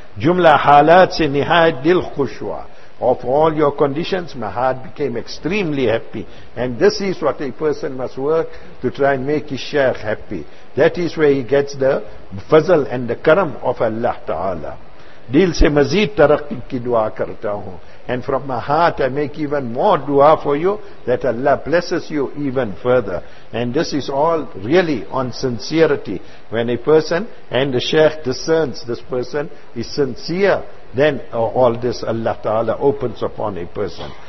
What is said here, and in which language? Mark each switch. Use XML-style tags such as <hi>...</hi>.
<ur>Jumla halat se nihayat dil khushwa.</ur> <en>Of all your conditions, my heart became extremely happy. And this is what a person must work to try and make his shaykh happy. That is where he gets the fazl and the karam of Allah Ta'ala.</en> <ur>دل سے مزید ترقی کی دعا کرتا ہوں.</ur> <en>And from my heart I make even more dua for you that Allah blesses you even further. And this is all really on sincerity. When a person and the Shaykh discerns this person is sincere, then all this Allah Ta'ala opens upon a person.</en>